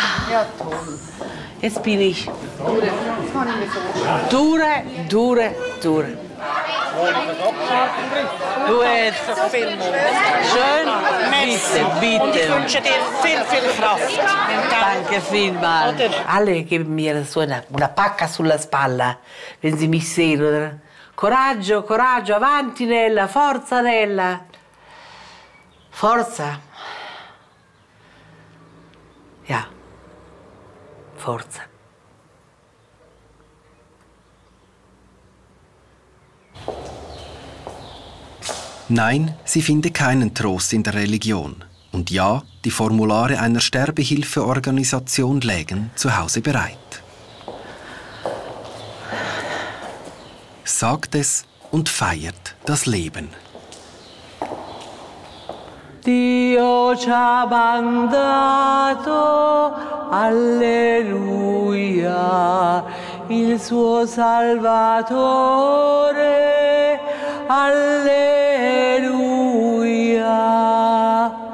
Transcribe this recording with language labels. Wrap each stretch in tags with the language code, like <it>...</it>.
<de>Ja, toll. Jetzt bin ich. Dure, dure, dure. Du hast schön. Bitte, bitte. Und ich wünsche dir viel, viel Kraft. Danke vielmals. Alle geben mir so</de> <it>una pacca sulla spalla,</it> <de>wenn sie mich sehen, oder?</de> <it>Coraggio, coraggio, avanti Nella, forza Nella. Forza.</it> <de>Ja. Forza. Nein, sie finde keinen Trost in der Religion. Und ja, die Formulare einer Sterbehilfeorganisation lägen zu Hause bereit. Sagt es und feiert das Leben.</de> <it>Dio ci ha mandato, alleluia, il suo Salvatore. Alleluia.</it>